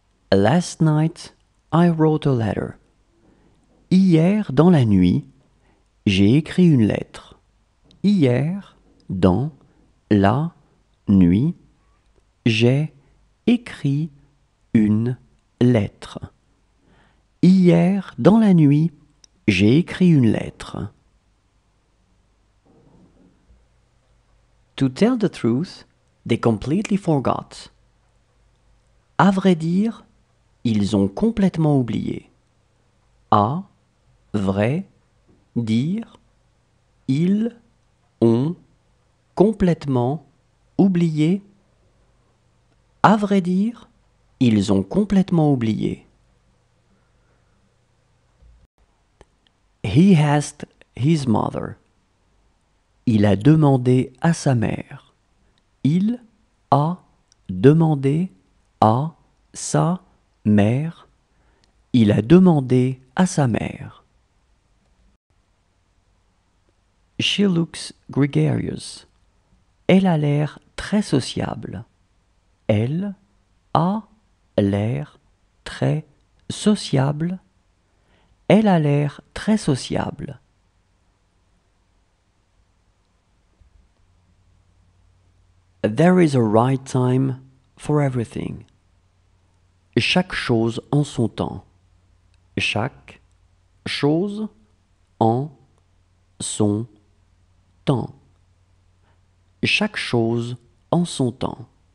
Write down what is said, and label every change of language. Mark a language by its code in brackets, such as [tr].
[en] Last night, I wrote a letter. [fr] Hier, dans la nuit, j'ai écrit une lettre. Hier, dans la nuit, j'ai écrit une lettre. Hier, dans la nuit, j'ai écrit une lettre. [en] To tell the truth, they completely forgot. [fr] À vrai dire, ils ont complètement oublié. À vrai dire, ils ont complètement oublié. À vrai dire, ils ont complètement oublié. [en] He asked his mother. [fr] Il a demandé à sa mère. Il a demandé à sa mère. Il a demandé à sa mère. [en] She looks gregarious. [fr] Elle a l'air très sociable. Elle a l'air très sociable. Elle a l'air très sociable. [en] There is a right time for everything. [fr] Chaque chose en son temps. Chaque chose en son temps. Chaque chose en son temps.